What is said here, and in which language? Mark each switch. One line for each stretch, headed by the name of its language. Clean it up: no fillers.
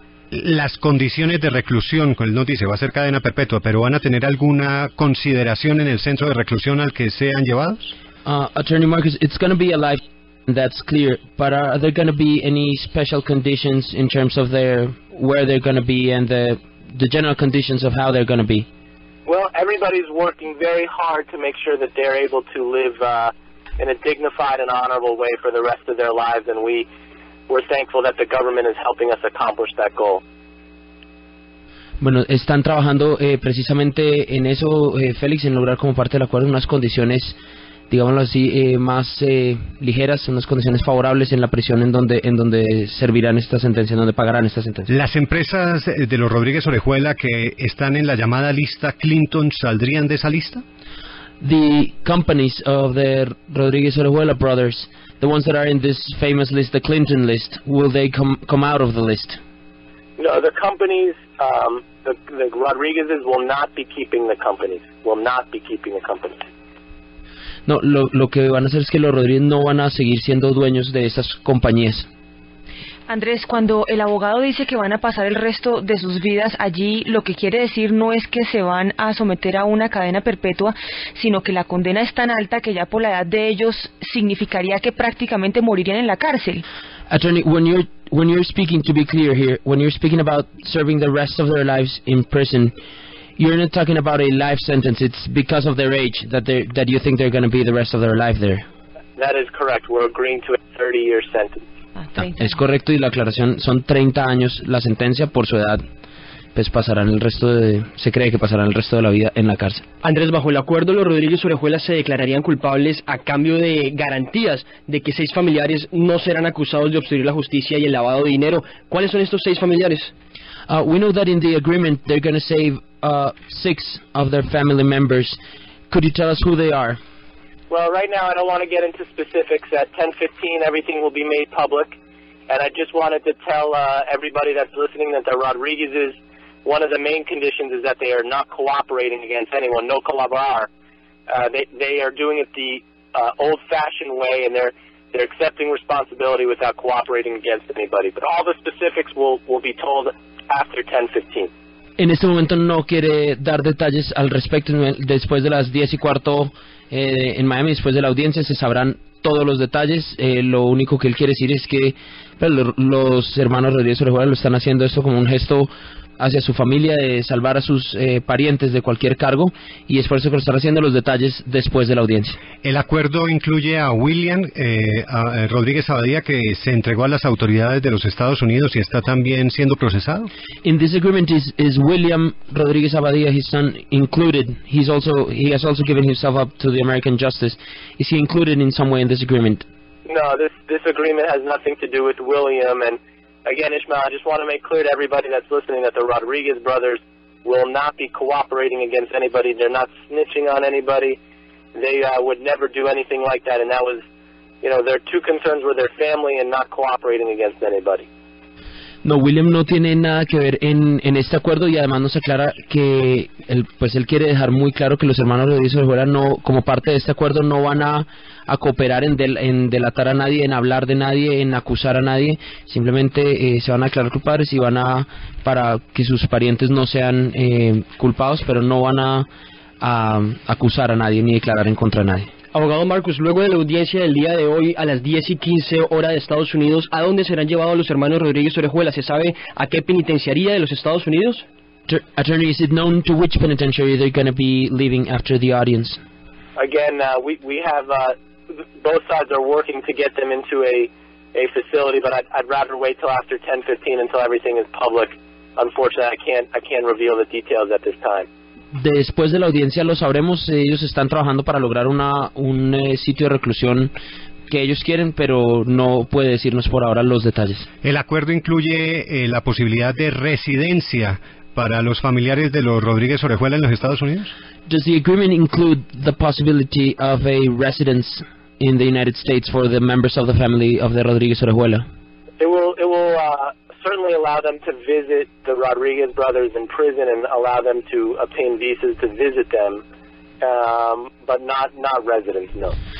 Spanish: Las condiciones de reclusión, él nos dice, va a ser cadena perpetua, pero ¿van a tener alguna consideración en el centro de reclusión al que sean llevados?
English: Attorney Marcus, it's going to be a life, that's clear, but are there going to be any special conditions in terms of their, where they're going to be and the general conditions of how they're going to be? Well, everybody's working very hard to make sure that they're able to live in a dignified and honorable way for the rest of their lives, and we're thankful that the government is helping us accomplish that goal.
Spanish: Bueno, están trabajando precisamente en eso, Félix, en lograr como parte del acuerdo unas condiciones, digámoslo así, más ligeras, unas condiciones favorables en la prisión en donde servirán esta sentencia, en donde pagarán esta sentencia. ¿Las empresas de los Rodríguez Orejuela que están en la llamada lista Clinton saldrían de esa lista?
English: The companies of the Rodríguez Orejuela brothers, the ones that are in this famous list, the Clinton list, will they come out of the list? No, the companies, the Rodríguez's will not be keeping the companies. Will not be keeping the companies.
Spanish: No, lo que van a hacer es que los Rodríguez no van a seguir siendo dueños de esas compañías. Andrés, cuando el abogado dice que van a pasar el resto de sus vidas allí, lo que quiere decir no es que se van a someter a una cadena perpetua, sino que la condena es tan alta que ya por la edad de ellos significaría que prácticamente morirían en la cárcel.
English: Attorney, when you're speaking, to be clear here, when you're speaking about serving the rest of their lives in prison, you're not talking about a life sentence. It's because of their age that you think they're going to be the rest of their life there. That is correct. We're agreeing to a 30-year sentence.
Spanish: Es correcto, y la aclaración, son 30 años la sentencia por su edad, pues pasarán el resto de, se cree que pasarán el resto de la vida en la cárcel. Andrés, bajo el acuerdo, los Rodríguez Orejuela se declararían culpables a cambio de garantías de que 6 familiares no serán acusados de obstruir la justicia y el lavado de dinero. ¿Cuáles son estos 6 familiares?
English: We know that in the agreement they're going to save 6 of their family members. Could you tell us who they are? Well, right now I don't want to get into specifics. At 10:15, everything will be made public, and I just wanted to tell everybody that's listening that the Rodríguez's, one of the main conditions is that they are not cooperating against anyone.
Spanish: No colaborar.
English: They are doing it the old-fashioned way, and they're accepting responsibility without cooperating against anybody. But all the specifics will be told after 10:15.
Spanish: En este momento no quiere dar detalles al respecto. Después de las 10:15 en Miami, después de la audiencia, se sabrán todos los detalles. Lo único que él quiere decir es que los hermanos Rodríguez Orejuela lo están haciendo esto como un gesto hacia su familia, de salvar a sus parientes de cualquier cargo, y es por eso que lo están haciendo, los detalles después de la audiencia. El acuerdo incluye a William a Rodríguez Abadía, que se entregó a las autoridades de los Estados Unidos y está también siendo procesado.
English: In this agreement is William Rodríguez Abadía, his son, included. He has also given himself up to the American justice. Is he included in some way in this agreement? No, this agreement has nothing to do with William. And again, Ishmael, I just want to make clear to everybody that's listening that the Rodríguez brothers will not be cooperating against anybody. They're not snitching on anybody. They would never do anything like that. And that was, you know, their two concerns were their family and not cooperating against anybody.
Spanish: No, William no tiene nada que ver en este acuerdo, y además nos aclara que él quiere dejar muy claro que los hermanos Rodríguez Orejuela, no, como parte de este acuerdo, no van a cooperar en delatar a nadie, en hablar de nadie, en acusar a nadie. Simplemente se van a declarar culpables y van a, para que sus parientes no sean culpados, pero no van a acusar a nadie ni declarar en contra de nadie. Abogado Marcus, luego de la audiencia del día de hoy a las 10:15 hora de Estados Unidos, ¿a dónde serán llevados los hermanos Rodríguez Orejuela? ¿Se sabe a qué penitenciaría de los Estados Unidos?
English: Attorney, is it known to which penitentiary they're going to be leaving after the audience? Again, both sides are working to get them into a facility, but I'd rather wait till after 10:15 until everything is public. Unfortunately, I can't reveal the details at this time.
Spanish: Después de la audiencia lo sabremos. Ellos están trabajando para lograr un sitio de reclusión que ellos quieren, pero no puede decirnos por ahora los detalles. El acuerdo incluye la posibilidad de residencia para los familiares de los Rodríguez Orejuela en los Estados Unidos.
English: Does the agreement include the possibility of a residence in the United States for the members of the family of the Rodríguez Orejuela? It will certainly allow them to visit the Rodríguez brothers in prison and allow them to obtain visas to visit them, but not residence, no.